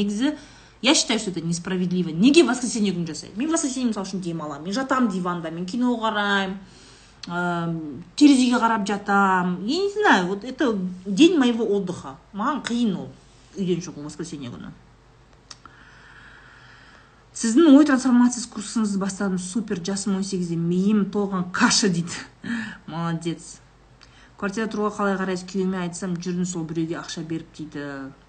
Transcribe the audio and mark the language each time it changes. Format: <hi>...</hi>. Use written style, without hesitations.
<kk>Негізі</kk> <ru>я считаю, что это несправедливо.</ru> <kk>Неге воскресенье күн жасайды? Мен воскресенье мысал үшін демаламын. Мен жатам диванда, мен кино қараймын. Терезеге қарап жатам.</kk> <ru>Я не знаю, вот это день моего отдыха.</ru> <kk>Маған қиын ол. Үйден шығу воскресенье күні. Сіздің ой трансформациясы курсыңызды бастадым. Супер, жасым 18-де. Миым толған каша дейді. Молодец. Квартира тұруға қалай қарайсыз? Күйеуіме айтсам, жүрдің сол біреуге ақша беріп дейді.</kk>